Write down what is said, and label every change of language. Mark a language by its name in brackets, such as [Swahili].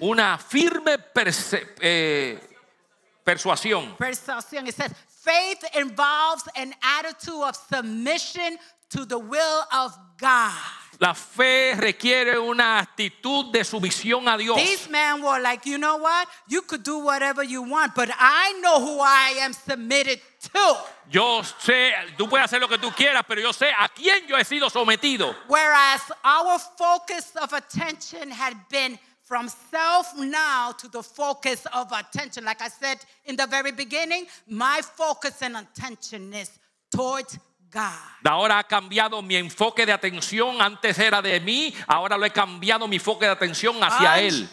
[Spanish] Una firme persuasión. [English] Persuasión. It says faith involves an attitude of submission to the will of God. [Spanish] La fe requiere una actitud de sumisión a Dios. [English] These men were like, you know what? You could do whatever you want, but I know who I am submitted to. [Spanish] Yo sé, tú puedes hacer lo que tú quieras, pero yo sé a quién yo he sido sometido. [English] Whereas our focus of attention had been from self now to the focus of attention. Like I said in the very beginning, my focus and attention is towards God. [Spanish] Ahora ha cambiado mi enfoque de atención. Antes era de mí. Ahora lo he cambiado mi enfoque de atención hacia Él.